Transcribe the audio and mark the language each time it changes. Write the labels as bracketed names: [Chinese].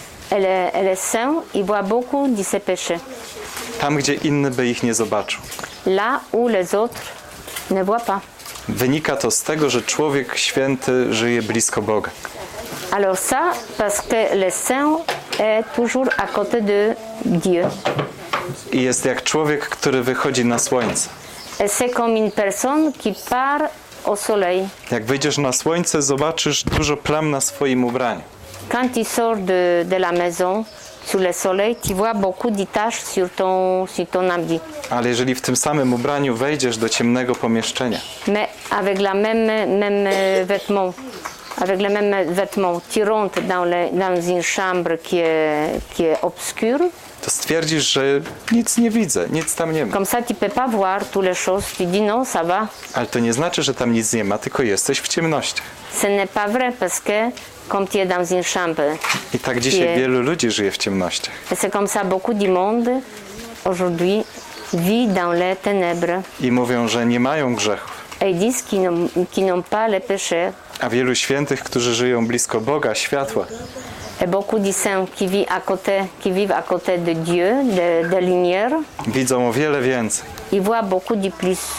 [French] Elle est saint, il voit beaucoup de ses péchés. [Polish] Tam, gdzie inny by ich nie zobaczył. [French] Là où les autres ne voient pas. [Polish] Wynika to z tego, że człowiek święty żyje blisko Boga. [French] Alors ça, parce que le saint est toujours à côté de Dieu. [Polish] I jest jak człowiek, który wychodzi na słońce. [French] Et c'est comme une personne qui part. [Polish] Jak wyjdziesz na słońce, zobaczysz dużo plam na swoim ubraniu. [French] Quand tu sors de la maison sous le soleil, tu vois beaucoup de taches sur ton habit. [Polish] Ale jeżeli w tym samym ubraniu wejdziesz do ciemnego pomieszczenia. [French] Mais avec la même vêtement. Avec le même vêtement, tu rentres dans une chambre qui est obscure. [Polish] To stwierdzisz, że nic nie widzę, nic tam nie ma. [French] Comme ça, tu peux pas voir toutes les choses, tu dis non, ça va. [Polish] Ale to nie znaczy, że tam nic nie ma, tylko jesteś w ciemnościach. [French] Ce n'est pas vrai, parce que comme tu es dans une chambre. [Polish] I tak dzisiaj wielu ludzi żyje w ciemnościach. [French] Et c'est comme ça, beaucoup de monde aujourd'hui vit dans les ténèbres. [Polish] I mówią, że nie mają grzechów. [French] Et ils disent qu'ils n'ont pas les péchés. [Polish] A wielu świętych, którzy żyją blisko Boga, światła. [French] Et beaucoup de saints qui vivent à côté de Dieu, de lumière. [Polish] Widzą o wiele więcej. [French] Ils voient beaucoup de plus.